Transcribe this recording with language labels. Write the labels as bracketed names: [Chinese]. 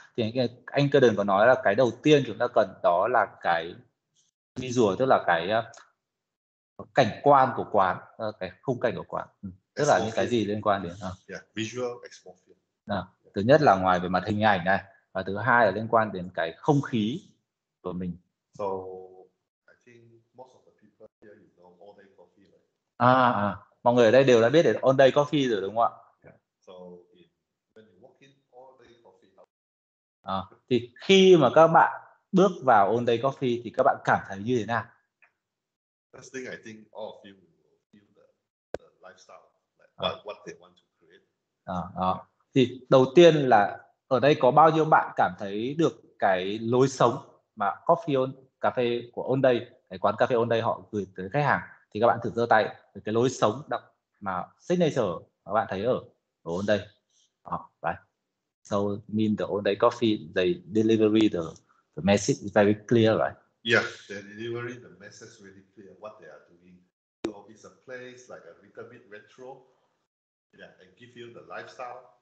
[Vietnamese] Thì anh Kevin có nói là cái đầu tiên chúng ta cần đó là cái visual, tức là cái cảnh quan của quán, cái khung cảnh của quán. Tức là những cái gì liên quan đến. [English] Yeah, visual exposure. [Vietnamese] Thứ nhất là ngoài về mặt hình ảnh này, và thứ hai là liên quan đến cái không khí của mình. [English] So I think most of the people here you know All Day Coffee, right? [Vietnamese] Mọi người ở đây đều đã biết đến All Day Coffee rồi đúng không ạ? [English] Yeah. So when you walk in All Day Coffee. [Vietnamese] Thì khi mà các bạn bước vào All Day Coffee thì các bạn cảm thấy như thế nào? [English] First thing I think all of you will feel the lifestyle, like what they want to create. [Vietnamese] Thì đầu tiên là ở đây có bao nhiêu bạn cảm thấy được cái lối sống mà coffee on, cà phê của On Day, cái quán cà phê On Day họ gửi tới khách hàng, thì các bạn thử giơ tay cái lối sống đặc mà signature mà các bạn thấy ở On Day. [English] So mean the On Day coffee they deliver the message is very clear, right? Yeah, they deliver the message really clear what they are doing. So it's a place like a little bit retro, yeah, and give you the lifestyle.